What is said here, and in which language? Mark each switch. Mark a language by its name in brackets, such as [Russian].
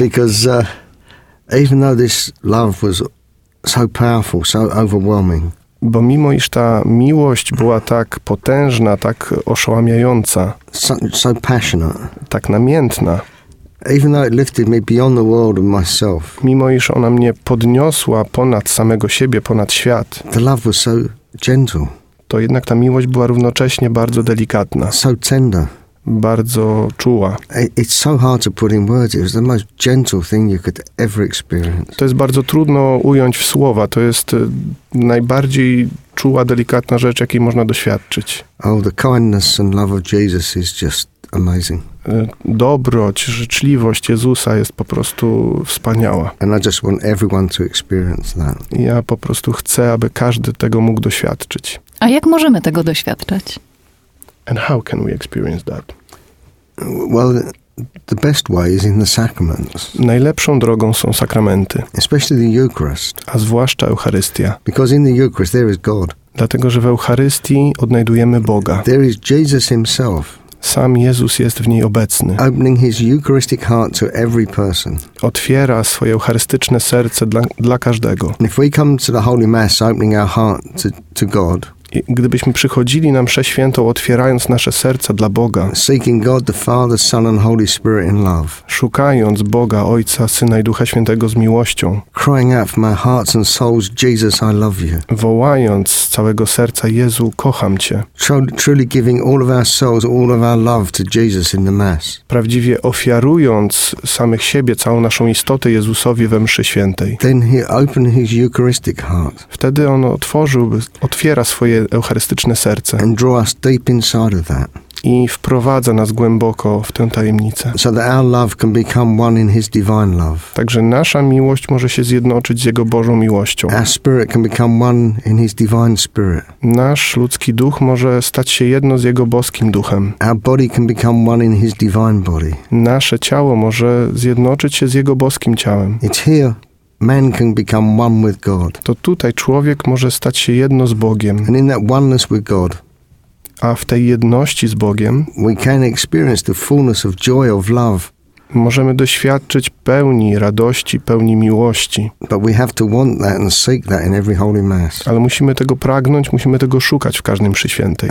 [English] Because even though this love was so powerful, so overwhelming, [Polish] bo mimo iż ta miłość była tak potężna, tak oszałamiająca, [English] so passionate, [Polish] tak namiętna, [English] even though it lifted me beyond the world and myself, [Polish] mimo iż ona mnie podniosła ponad samego siebie, ponad świat, [English] the love was so gentle, [Polish] to jednak ta miłość była równocześnie bardzo delikatna, [English] so tender, [Polish] bardzo czuła. [English] It's so hard to put in words. It was the most gentle thing you could ever experience. [Polish] To jest bardzo trudno ująć w słowa. To jest najbardziej czuła, delikatna rzecz, jakiej można doświadczyć. [English] Oh, the kindness and love of Jesus is just amazing. [Polish] Dobroć, życzliwość Jezusa jest po prostu wspaniała. [English] And I just want everyone to experience that. [Polish] Ja po prostu chcę, aby każdy tego mógł doświadczyć. A jak możemy tego doświadczać? [English] And how can we experience that? Well, the best way is in the sacraments. [Polish] Najlepszą drogą są sakramenty. [English] Especially the Eucharist. [Polish] A zwłaszcza Eucharystia. [English] Because in the Eucharist there is God. [Polish] Dlatego, że w Eucharystii odnajdujemy Boga. [English] There is Jesus himself. [Polish] Sam Jezus jest w niej obecny. [English] Opening his Eucharistic heart to every person. [Polish] Otwiera swoje eucharystyczne serce dla każdego. [English] And if we come to the Holy Mass opening our heart to God, [Polish] i gdybyśmy przychodzili na mszę świętą, otwierając nasze serca dla Boga, [English] seeking God, the Father, Son and Holy Spirit in love, [Polish] szukając Boga, Ojca, Syna i Ducha Świętego z miłością, [English] crying out from my heart and souls, Jesus, I love you, [Polish] wołając z całego serca, Jezu, kocham Cię, [English] truly giving all of our souls, all of our love to Jesus in the Mass, [Polish] prawdziwie ofiarując samych siebie, całą naszą istotę Jezusowi we mszy świętej, [English] then he opened his Eucharistic heart. [Polish] Wtedy on otwiera swoje eucharystyczne serce [English] and draw us deep inside of that. [Polish] I wprowadza nas głęboko w tę tajemnicę. [English] So that our love can become one in his divine love. [Polish] Także nasza miłość może się zjednoczyć z jego Bożą miłością. [English] Our spirit can become one in his divine spirit. [Polish] Nasz ludzki duch może stać się jedno z jego boskim duchem. [English] Our body can become one in his divine body. [Polish] Nasze ciało może zjednoczyć się z jego boskim ciałem. [English] It's here. Man can become one with God. [Polish] To tutaj człowiek może stać się jedno z Bogiem. [English] And in that oneness with God, [Polish] a w tej jedności z Bogiem, [English] we can experience the fullness of joy of love. [Polish] Możemy doświadczyć pełni radości, pełni miłości. [English] But we have to want that and seek that in every holy mass. [Polish] Ale musimy tego pragnąć, musimy tego szukać w każdym mszy świętej.